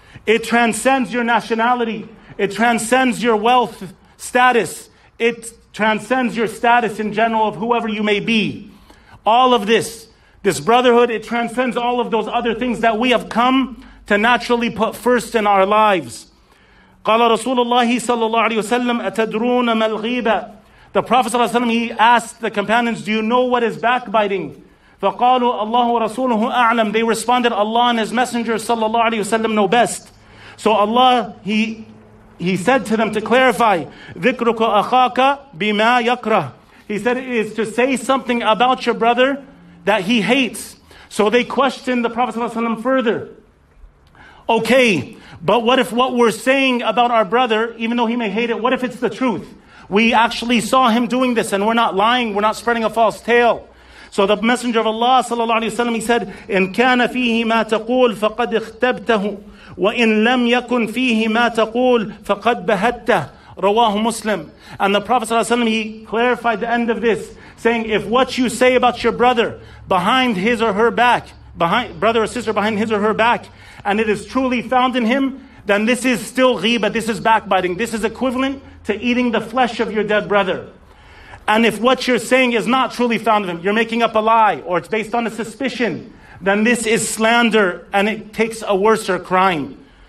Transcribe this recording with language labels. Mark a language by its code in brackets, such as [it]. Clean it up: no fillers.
[en] It transcends your nationality. It transcends your wealth status. It transcends your status in general of whoever you may be. All of this, this brotherhood, it transcends all of those other things that we have come to naturally put first in our lives. [ar] قال رسول الله صلى الله عليه وسلم أتدرون ما الغيبة. [en] The Prophet ﷺ, he asked the companions, do you know what is backbiting? [ar] فَقَالُوا أَلَّهُ وَرَسُولُهُ أَعْلَمُ. [en] They responded, Allah and His Messenger sallallahu alayhi wa sallam know best. So Allah, He said to them to clarify, [ar] ذِكْرُكُ أَخَاكَ بِمَا يَكْرَهُ. [en] He said, it is to say something about your brother that he hates. So they questioned the Prophet sallallahu alayhi wa sallam further. Okay, but what if what we're saying about our brother, even though he may hate it, what if it's the truth? We actually saw him doing this and we're not lying, we're not spreading a false tale. So the Messenger of Allah sallallahu alaihi wasallam, he said, [ar] إِنْ كَانَ فِيهِ مَا تَقُولُ فَقَدْ اخْتَبْتَهُ وَإِنْ لَمْ يَكُنْ فِيهِ مَا تَقُولُ فَقَدْ بَهَتَّهُ رَوَاهُ مُسْلِمُ. [en] And the Prophet sallallahu alaihi wasallam, he clarified the end of this, saying, if what you say about your brother behind his or her back, behind brother or sister behind his or her back, and it is truly found in him, then this is still ghibah, this is backbiting. This is equivalent to eating the flesh of your dead brother. And if what you're saying is not truly found in him, you're making up a lie, or it's based on a suspicion, then this is slander, and it takes a worser crime.